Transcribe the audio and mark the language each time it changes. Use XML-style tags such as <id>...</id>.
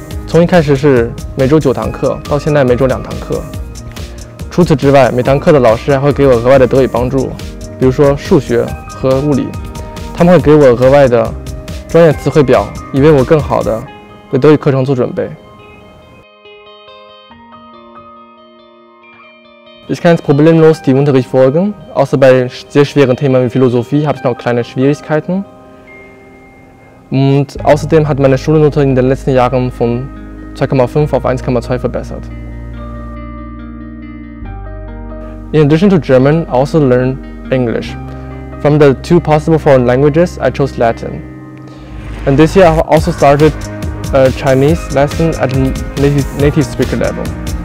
<zh>从一开始是每周9堂课，到现在每周2堂课。除此之外，每堂课的老师还会给我额外的德语帮助，比如说数学和物理，他们会给我额外的专业词汇表，以为我更好的为德语课程做准备。</zh> <de>Ich kann es problemlos die Unterricht folgen, außer bei sehr schweren Themen wie Philosophie habe ich noch kleine Schwierigkeiten. Und außerdem hat meine Schulnote in den letzten Jahren von 2,5 auf 1,2 verbessert.</de> <en>In addition to German, I also learned English. From the 2 possible foreign languages, I chose Latin. And this year I also started a Chinese lesson at a native speaker level.</en>